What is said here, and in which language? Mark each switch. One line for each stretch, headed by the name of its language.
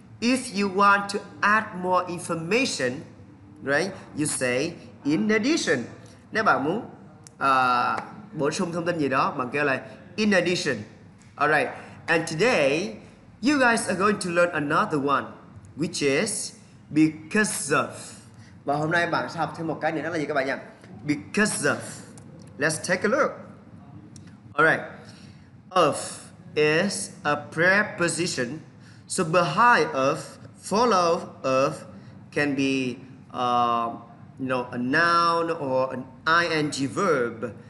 English: If you want to add more information, right? You say in addition.
Vietnamese: Nếu bạn muốn bổ sung thông tin gì đó, bạn kêu là in addition.
English: Alright, and today, you guys are going to learn another one, which is because of.
Vietnamese: Và hôm nay bạn sẽ học thêm một cái nữa, đó là gì các bạn nhỉ?
English: Because of. Let's take a look. Alright, of is a preposition. So behind of, follow of, can be a noun or an ing verb.